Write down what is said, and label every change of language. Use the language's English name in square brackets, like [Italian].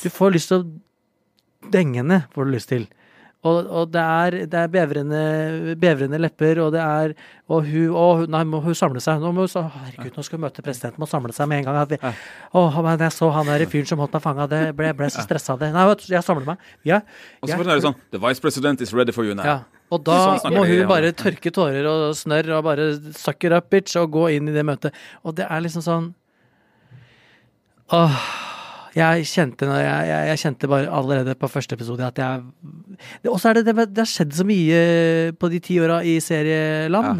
[Norwegian] Du får lyst til å denge henne, får du lyst til. Og det er bevrende lepper, og det og hun samler seg. Herregud, nå skal hun møte presidenten, må samle seg med en gang. Men jeg så han I fyren som holdt meg fanget, ble så stresset det. Nei, jeg samler meg. Og så får hun sånn, [English] the vice president is ready for you now. [Norwegian] Ja. Og da må hun bare tørke tårer og snør, og bare [English] suck it up, bitch, [Norwegian] og gå inn I det møtet. Og det liksom sånn, jeg kjente bare allerede på første episode at også det har skjedd så mye på de 10 årene I serieland.